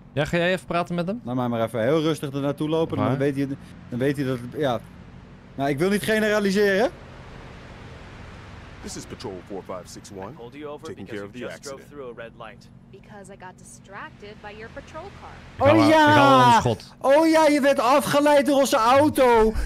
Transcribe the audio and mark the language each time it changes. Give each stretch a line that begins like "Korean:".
Dutch: Ja, ga jij even praten met hem? Laat mij maar even heel rustig er naartoe lopen. Maar... Dan weet hij dat... Ja. Nou, ik wil niet generaliseren.
English: This is Patrol 4561. I pulled you over taking care of the accident. Drove through a red light. Because I got distracted by your patrol car.
Dutch: Oh ja! Oh ja, je werd afgeleid door onze auto.